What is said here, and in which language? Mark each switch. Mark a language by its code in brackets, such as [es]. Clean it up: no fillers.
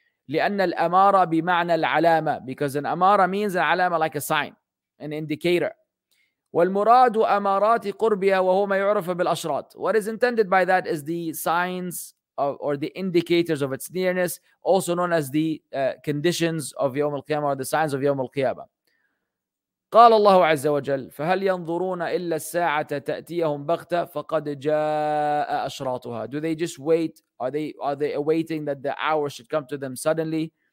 [en] لأن الأمارة بمعنى العلامة, because an أمارة means an علامة, like a sign, an indicator. [ar] والمراد أمارات قربها وهو ما يعرف بالأشراط. [en] What is intended by that is the signs of, or the indicators of its nearness, also known as the conditions of يوم القيامة, or the signs of يوم القيامة. [ar] قال الله عز وجل فهل ينظرون إلا الساعة تأتيهم بغتة فقد جاء أشراطها. [en] Do they just wait? Are they awaiting that the hour should come to them suddenly?